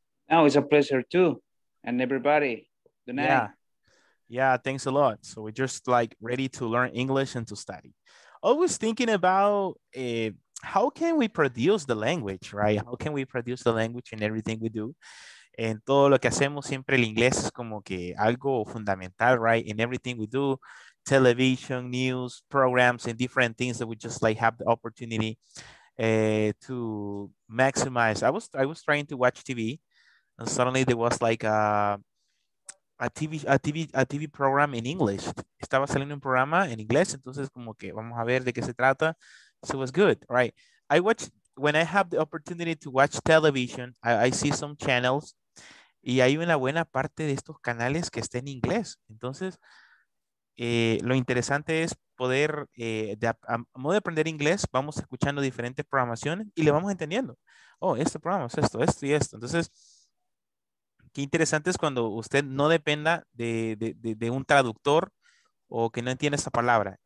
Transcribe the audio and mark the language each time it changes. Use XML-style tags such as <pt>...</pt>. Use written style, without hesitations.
<en>Oh, it's a pleasure too. And everybody, good night. Yeah, thanks a lot. So we're just like ready to learn English and to study. Always thinking about how can we produce the language, right? How can we produce the language in everything we do?</en> <es>En todo lo que hacemos, siempre el inglés es como que algo fundamental, right?</es> <en>In everything we do, television, news, programs, and different things that we just like have the opportunity to maximize. I was trying to watch TV, and suddenly there was like a TV program in English.</en> <es>Estaba saliendo un programa en inglés, entonces como que vamos a ver de qué se trata.</es> <en>So it was good, right? When I have the opportunity to watch television, I see some channels.</en> <es>Y hay una buena parte de estos canales que está en inglés. Entonces, lo interesante es poder, a modo de aprender inglés, vamos escuchando diferentes programaciones y le vamos entendiendo. Oh, este programa es esto, esto y esto. Entonces, qué interesante es cuando usted no dependa de un traductor o que no entiende esa palabra.</es>